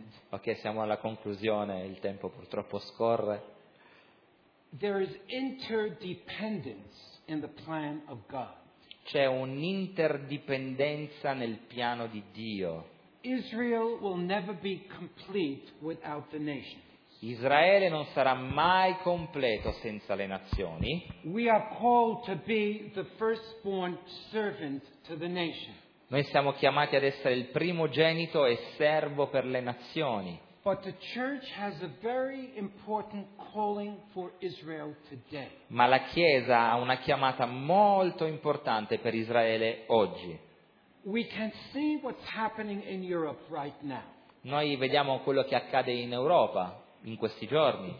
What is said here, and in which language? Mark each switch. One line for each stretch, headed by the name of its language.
Italian: Ok, siamo alla conclusione, il tempo purtroppo scorre.
English: There is interdependence in the plan of God.
Italian: C'è un'interdipendenza nel piano di Dio.
English: Israel will never be complete without the nations.
Italian: Israele non sarà mai completo senza le nazioni.
English: We are called to be the firstborn servant to the nation.
Italian: Noi siamo chiamati ad essere il primogenito e servo per le nazioni.
English: But the church has a very important calling for Israel today.
Italian: Ma la Chiesa ha una chiamata molto importante per Israele oggi.
English: We can see what's happening in Europe right now.
Italian: Noi vediamo quello che accade in Europa in questi giorni.